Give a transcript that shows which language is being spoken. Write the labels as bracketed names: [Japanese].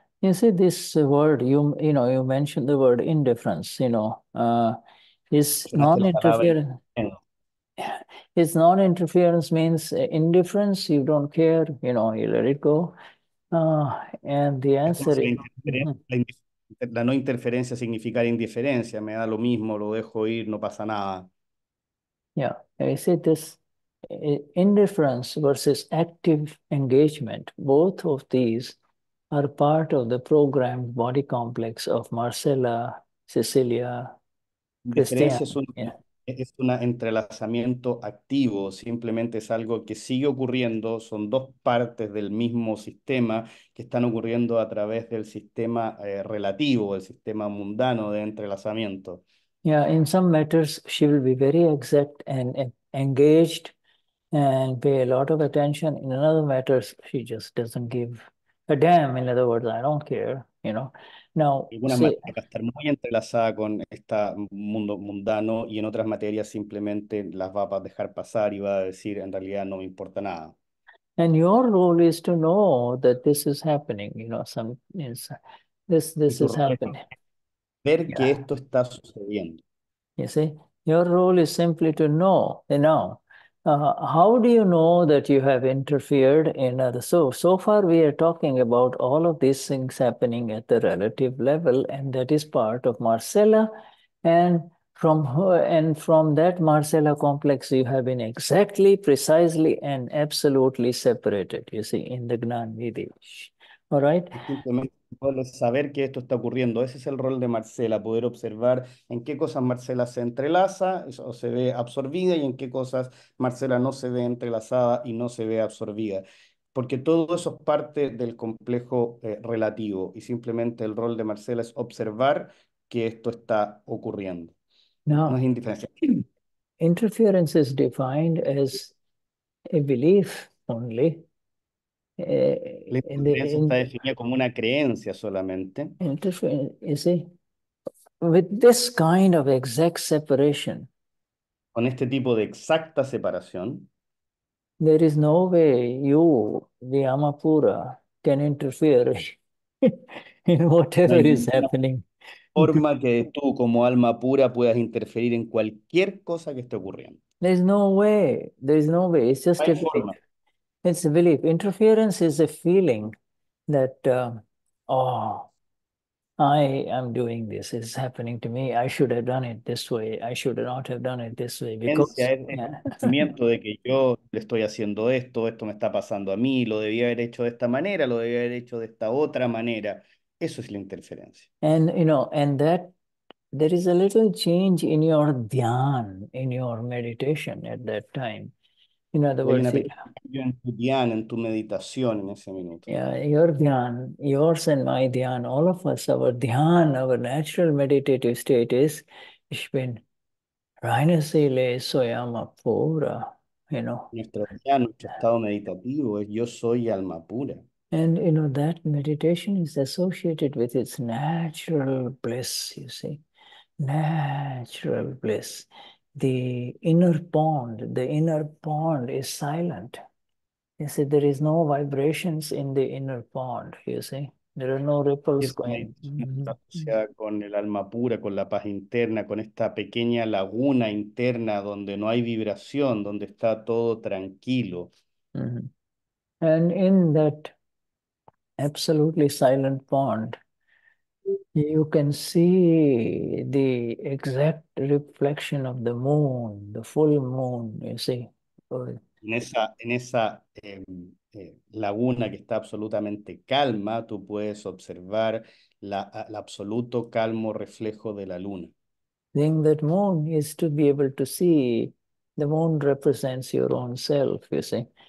[English] You see, this word, you know, you mentioned the word indifference, you know, is non-interference. It's non-interference means indifference, you don't care, you know, you let it go. And the answer is... [Spanish] La no interferencia significa indiferencia, me da lo mismo, lo dejo ir, no pasa nada. [English] Yeah, I see this indifference versus active engagement, both of these are part of the programmed body complex of Marcella, Cecilia, Cristian. [Spanish] Es un entrelazamiento activo, simplemente es algo que sigue ocurriendo, son dos partes del mismo sistema que están ocurriendo a través del sistema relativo, el sistema mundano de entrelazamiento. [English] Yeah, in some matters she will be very exact and engaged and pay a lot of attention. In another matters she just doesn't give a damn. In other words, I don't care, you know. Now, [Spanish] algunas materias están muy entrelazadas con este mundo mundano y en otras materias simplemente las va a dejar pasar y va a decir en realidad no me importa nada. [English] And your role is to know that this is happening, you know, some is this this is happening. [Spanish] Ver [English] yeah. [Spanish] que esto está sucediendo. [English] You see, your role is simply to know. Now, how do you know that you have interfered in other? So far we are talking about all of these things happening at the relative level, and that is part of Marcella, and from her, and from that Marcella complex you have been exactly, precisely, and absolutely separated, you see, in the Gnan Vidish. All right. [Spanish] Saber que esto está ocurriendo, ese es el rol de Marcela, poder observar en qué cosas Marcela se entrelaza o se ve absorbida y en qué cosas Marcela no se ve entrelazada y no se ve absorbida, porque todo eso es parte del complejo relativo y simplemente el rol de Marcela es observar que esto está ocurriendo. [English] Now, [Spanish] No es indiferencia. [English] Interference is defined as a belief only. [Spanish] La interferencia está definida como una creencia solamente. [English] You see, with this kind of exact separation, [Spanish] con este tipo de exacta separación, [English] there is no way you, the Amapura, can interfere in whatever is happening. [Spanish] Forma que tú como alma pura puedas interferir en cualquier cosa que esté ocurriendo. [English] There's no way. There's no way. It's just [Spanish] hay [English] a belief. [Spanish] Forma. [English] It's a belief. Interference is a feeling that, I am doing this. It's happening to me. I should have done it this way. I should not have done it this way. Because [Spanish] es el sentimiento de que yo le estoy haciendo esto, esto me está pasando a mí, lo debía haber hecho de esta manera, lo debía haber hecho de esta otra manera. Eso es la interferencia. [English] And, you know, and that there is a little change in your dhyan, in your meditation at that time. In other words, [Spanish] en tu dhyan, en tu meditación en ese minuto. [English] Yeah, your dhyan, yours and my dhyan, all of us, our dhyan, our natural meditative state is Ishvin Rhinasile Soyama Pura, you know. [Spanish] Nuestro dhyan, nuestro estado meditativo es yo soy alma pura. [English] And, you know, that meditation is associated with its natural bliss, you see. Natural bliss. The inner pond is silent. You see, there is no vibrations in the inner pond, you see. There are no ripples going. [Spanish] Con el alma pura, con la paz interna, con esta pequeña laguna interna donde no hay vibración, donde está todo tranquilo. [English] And in that absolutely silent pond, You can see the exact reflection of the moon, the full moon, you see. [Spanish] En esa laguna que está absolutamente calma, tú puedes observar el absoluto calmo reflejo de la luna. [English] Being that moon is to be able to see, the moon represents your own self, you see.